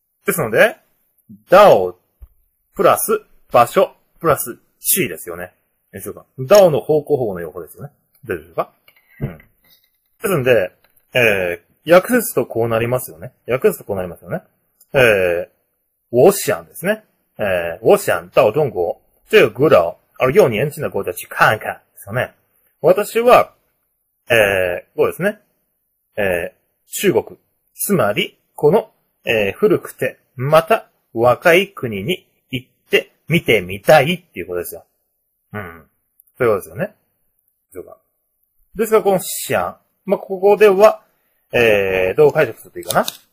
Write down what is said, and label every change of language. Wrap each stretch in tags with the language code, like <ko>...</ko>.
<ja>ですので、だお、プラス、場所、プラス、地位ですよね。でしょうか。だおの方向方向の用法ですよね。でしょうか。うん。ですので、訳すとこうなりますよね。訳すとこうなりますよね。</ja> <zh>我想</zh> <ja>ですね。</ja> <zh>我想到中国、这个古老而又年轻的国家去看看</zh> <ja>ですよね。私は、こうですね。中国、つまりこの、古くてまた若い国に行って見てみたいっていうことですよ。うん、そういうことですよね。どうか。ですがこの想、まあ、ここでは、どう解釈するといいかな。</ja>